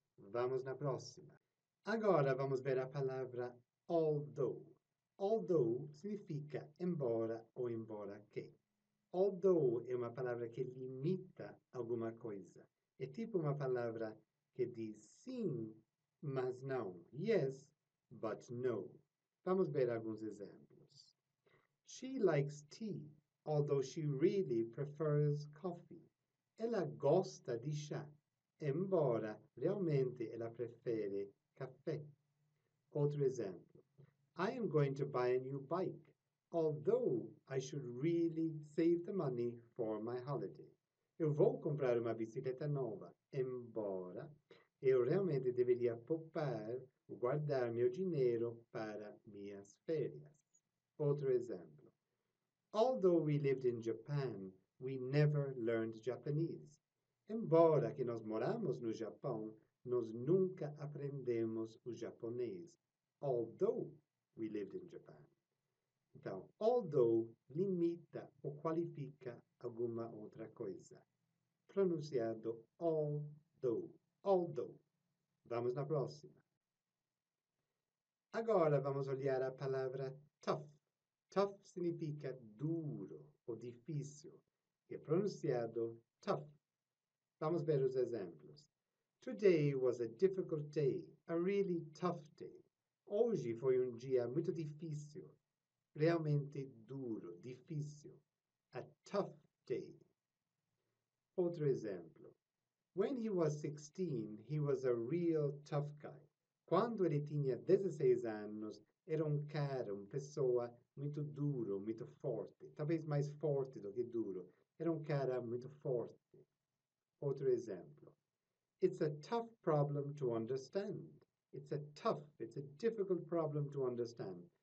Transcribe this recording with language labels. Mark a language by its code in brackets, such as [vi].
[pt] Vamos na próxima. Agora vamos ver a palavra although. Although significa embora ou embora que. Although é uma palavra que limita alguma coisa. É tipo uma palavra que diz sim, mas não. Yes, [en] But no. [pt] Vamos ver alguns exemplos. [en] She likes tea, although she really prefers coffee. [pt] Ela gosta de chá, embora realmente ela prefere café. Outro exemplo. [en] I am going to buy a new bike, although I should really save the money for my holiday. [pt] Eu vou comprar uma bicicleta nova, embora eu realmente deveria poupar ou guardar meu dinheiro para minhas férias. Outro exemplo. [en] Although we lived in Japan, we never learned Japanese. [pt] Embora que nós moramos no Japão, nós nunca aprendemos o japonês. [en] Although we lived in Japan. [pt] Então, although limita ou qualifica alguma outra coisa. Pronunciado although. Although. Vamos na próxima. Agora vamos olhar a palavra tough. Tough significa duro ou difícil. É pronunciado tough. Vamos ver os exemplos. [en] Today was a difficult day, a really tough day. [pt] Hoje foi dia muito difícil, realmente duro, difícil. [en] A tough day. [pt] Outro exemplo. [en] When he was 16, he was a real tough guy. [pt] Quando ele tinha 16 anos, era cara, uma pessoa muito duro, muito forte. Talvez mais forte do que duro. Era cara muito forte. Outro exemplo. [en] It's a tough problem to understand. It's a difficult problem to understand.